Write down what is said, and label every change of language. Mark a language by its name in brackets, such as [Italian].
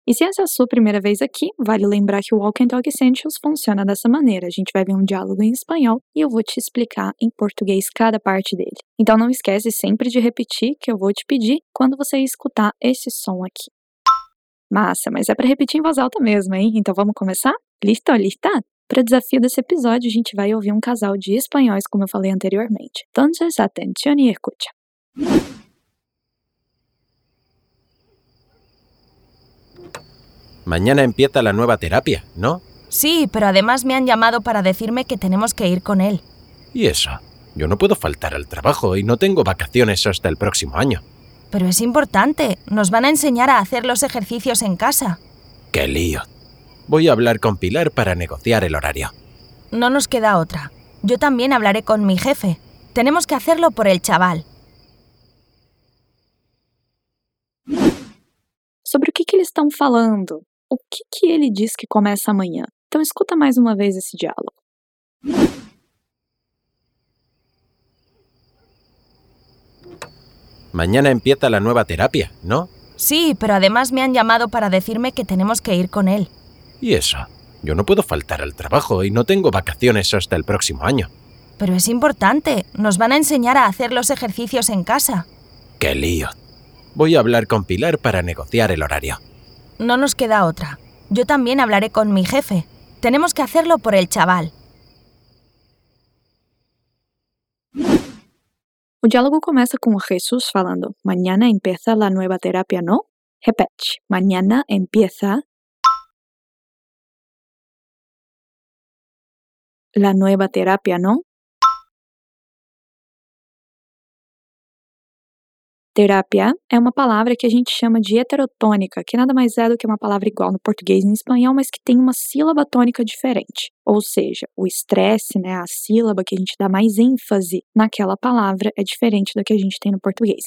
[Portuguese] E se essa é a sua primeira vez aqui, vale lembrar que o Walk and Talk Essentials funciona dessa maneira. A gente vai ver um diálogo em espanhol e eu vou te explicar em português cada parte dele. Então não esquece sempre de repetir que eu vou te pedir quando você escutar esse som aqui. Massa, mas é para repetir em voz alta mesmo, hein? Então vamos começar? [Spanish] Listo, lista? [Portuguese] Para o desafio desse episódio, a gente vai ouvir um casal de espanhóis, como eu falei anteriormente. Entonces, atención y escucha. [Spanish] Mañana empieza la nueva terapia, ¿no? Sí, pero además me han llamado para decirme que tenemos que ir con él. ¿Y eso? Yo no puedo faltar al trabajo y no tengo vacaciones hasta el próximo año. Pero es importante. Nos van a enseñar a hacer los ejercicios en casa. ¡Qué lío! Voy a hablar con Pilar para negociar el horario. No nos queda otra. Yo también hablaré con mi jefe. Tenemos que hacerlo por el chaval. [Portuguese] Sobre o que eles estão falando? O que ele diz que começa amanhã? Então escuta mais uma vez esse diálogo. [Spanish] Mañana empieza la nueva terapia, ¿no? Sí, pero además me han llamado para decirme que tenemos que ir con él. ¿Y eso? Yo no puedo faltar al trabajo y no tengo vacaciones hasta el próximo año. Pero es importante. Nos van a enseñar a hacer los ejercicios en casa. ¡Qué lío! Voy a hablar con Pilar para negociar el horario. No nos queda otra. Yo también hablaré con mi jefe. Tenemos que hacerlo por el chaval. [Portuguese] O diálogo começa com Jesus falando: [Spanish] mañana empieza la nueva terapia, ¿no? [Portuguese] Repete: [Spanish] mañana empieza la nueva terapia, ¿no? [Portuguese] Terapia é uma palavra que a gente chama de heterotônica, que nada mais é do que uma palavra igual no português e em espanhol, mas que tem uma sílaba tônica diferente. Ou seja, o estresse, né, a sílaba que a gente dá mais ênfase naquela palavra é diferente do que a gente tem no português.